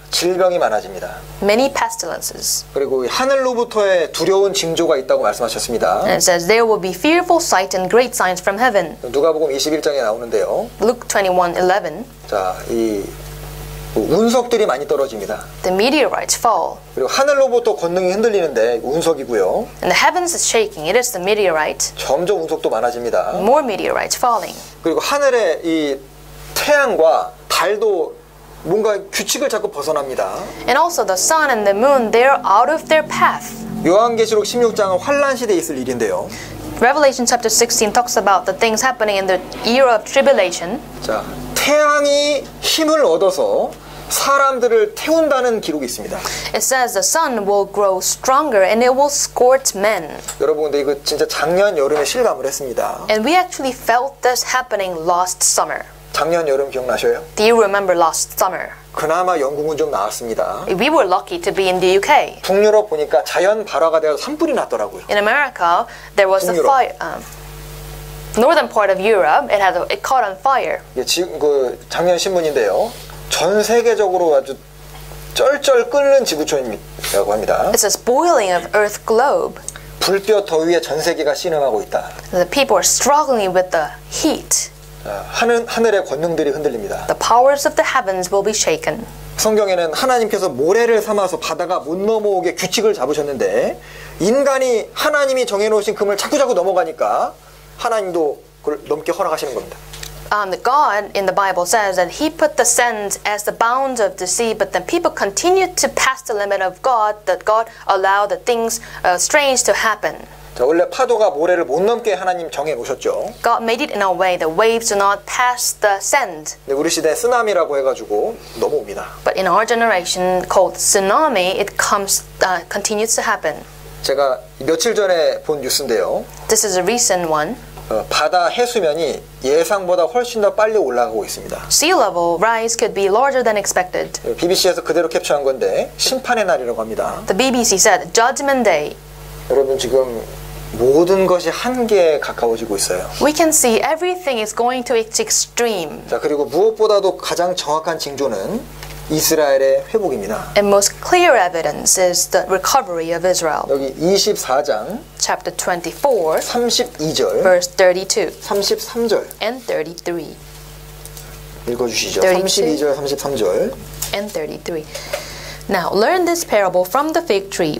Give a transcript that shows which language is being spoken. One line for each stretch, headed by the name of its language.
Korean: 질병이 많아집니다.
English: Many pestilences.
Korean: 그리고 하늘로부터의 두려운 징조가 있다고 말씀하셨습니다.
English: And it says there will be fearful sight and great signs from heaven.
Korean: 누가복음 21장에 나오는데요.
English: Luke 21:11.
Korean: 자, 이 운석들이 많이 떨어집니다.
English: The meteorites fall.
Korean: 그리고 하늘로부터 권능이 흔들리는데 운석이고요.
English: And the heavens is shaking. It is the meteorite.
Korean: 점점 운석도 많아집니다.
English: More meteorites falling.
Korean: 그리고 하늘에 이 태양과 달도 뭔가 규칙을 자꾸 벗어납니다.
English: And also the sun and the moon, they're out of their path.
Korean: 요한계시록 16장은 환란 시대에 있을 일인데요.
English: Revelation chapter 16 talks about the things happening in the era of tribulation.
Korean: 자, 태양이 힘을 얻어서 사람들을 태운다는 기록이 있습니다.
English: It says the sun will grow stronger and it will scorch men.
Korean: 여러분 근데 이거 진짜 작년 여름에 실감을 했습니다.
English: And we actually felt this happening last summer.
Korean: 작년 여름 기억나셔요?
English: Do you remember last summer?
Korean: 그나마 영국은 좀 나았습니다.
English: We were lucky to be in the UK.
Korean: 북유럽 보니까 자연 발화가 되어 산불이 났더라고요.
English: In America, there was
Korean: 북유럽.
English: A fire. Northern part of Europe, it caught on fire.
Korean: 예, 지금 그 작년 신문인데요. 전 세계적으로 아주 쩔쩔 끓는 지구촌이라고 합니다.
English: It's a boiling of Earth globe.
Korean: 불뼈 더위에 전 세계가 신음하고 있다.
English: The people are struggling with the heat.
Korean: 하늘의 권능들이 흔들립니다.
English: The powers of the heavens will be shaken.
Korean: 성경에는 하나님께서 모래를 삼아서 바다가 못 넘어오게 규칙을 잡으셨는데 인간이 하나님이 정해놓으신 금을 자꾸 넘어가니까 하나님도 그걸 넘게 허락하시는 겁니다.
English: God in the Bible says that he put the sands as the bounds of the sea, but then people continue to pass the limit of God, that God allowed the things strange to happen.
Korean: 자, 원래 파도가 모래를 못 넘게 하나님 정해 놓으셨죠.
English: God made it in a way the waves do not pass the sand.
Korean: 근데 우리 시대에 쓰나미라고 해가지고 넘어옵니다.
English: But in our generation called tsunami, it comes continues to happen.
Korean: 제가 며칠 전에 본 뉴스인데요.
English: This is a recent one.
Korean: 바다 해수면이 예상보다 훨씬 더 빨리 올라가고 있습니다.
English: Sea level rise could be larger than expected.
Korean: BBC에서 그대로 캡처한 건데 심판의 날이라고 합니다.
English: The BBC said Judgment Day.
Korean: 여러분 지금 모든 것이 한계에 가까워지고 있어요.
English: We can see everything is going to its extreme.
Korean: 자, 그리고 무엇보다도 가장 정확한 징조는 이스라엘의 회복입니다.
English: And most clear evidence is the recovery of Israel.
Korean: 여기 24장
English: chapter 24
Korean: 32절
English: verse 32
Korean: 33절
English: and 33
Korean: 읽어주시죠. 32. 32절 33절
English: and 33 Now learn this parable from the fig tree.